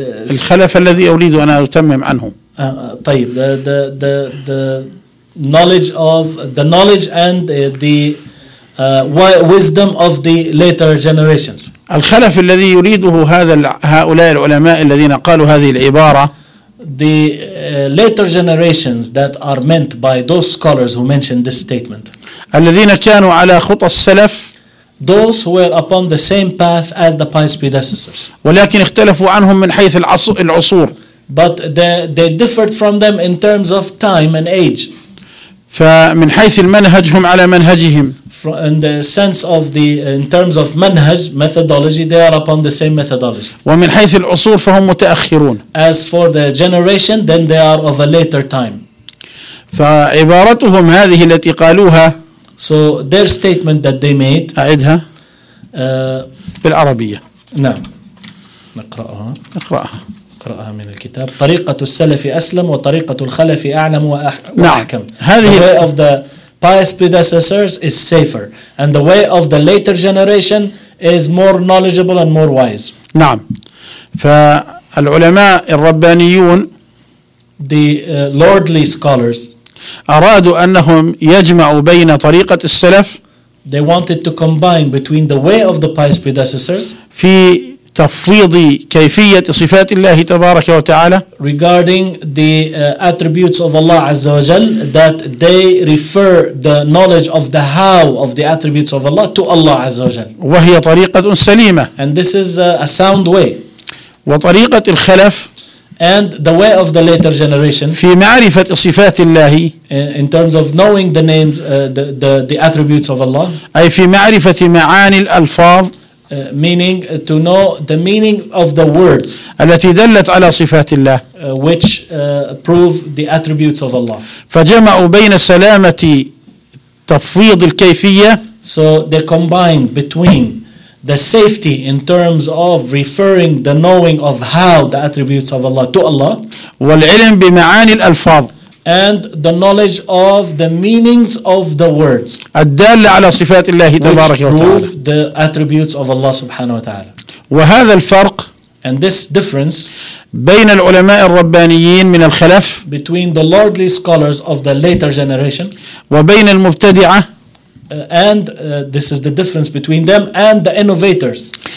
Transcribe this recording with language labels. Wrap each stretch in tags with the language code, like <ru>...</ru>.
<ar>الخلف الذي أريد أن أتمم عنه.</ar> <en>طيب the knowledge of the knowledge and the wisdom of the later generations.</en> <ar>الخلف الذي يريده هذا هؤلاء العلماء الذين قالوا هذه العبارة.</ar> <en>The later generations that are meant by those scholars who mentioned this statement.</en> <ar>الذين كانوا على خطى السلف.</ar> <en>Those who were upon the same path as the pious predecessors.</en> <ar>ولكن اختلفوا عنهم من حيث العصور.</ar> <en>But they differed from them in terms of time and age.</en> <ar>فمن حيث المنهج هم على منهجهم.</ar> <en>In the sense of the in terms of manhaj methodology, they are upon the same methodology.</en> <ar>ومن حيث العصور فهم متأخرون.</ar> <en>As for the generation, then they are of a later time.</en> <ar>فعبارتهم هذه التي قالوها.</ar> <en>So their statement that they made.</en> <ar>أعدها. بالعربية. نعم. نقرأها. نقرأها. نقرأها من الكتاب. طريقة السلف أسلم وطريقة الخلف أعلم وأحكم. نعم. هذه.</ar> <en>The way of the pious predecessors is safer, and the way of the later generation is more knowledgeable and more wise.</en> <ar>نعم. فالعلماء الربانيون.</ar> <en>The lordly scholars.</en> <ar>أرادوا أنهم يجمعوا بين طريقة السلف</ar> <en>They wanted to combine between the way of the pious predecessors</en> <ar>في تفويض كيفية صفات الله تبارك وتعالى</ar> <en>regarding the attributes of Allah عز وجل that they refer the knowledge of the how of the attributes of Allah to Allah عز وجل</en> <ar>وهي طريقة سليمة</ar> <en>and this is a sound way</en> <ar>وطريقة الخلف</ar> <en>and the way of the later generation</en> <ar>في معرفة صفات الله</ar> <en>in terms of knowing the names the attributes of Allah</en> <ar>أي في معرفة معاني الألفاظ</ar> <en>meaning to know the meaning of the words</en> <ar>التي دلت على صفات الله</ar> <en>which prove the attributes of Allah</en> <ar>فجمعوا بين سلامة تفويض الكيفية</ar> <en>so they combined between the safety in terms of referring the knowing of how the attributes of Allah to Allah</en> <ar>والعلم بمعاني الألفاظ</ar> <en>and the knowledge of the meanings of the words</en> <ar>الدالة على صفات الله تبارك وتعالى</ar> <en>which prove the attributes of Allah سبحانه وتعالى</en> <ar>وهذا الفرق</ar> <en>and this difference</en> <ar>بين العلماء الربانيين من الخلف</ar> <en>between the lordly scholars of the later generation</en> <ar>وبين المبتدعة</ar> <en>And this is the difference between them and the innovators.</en>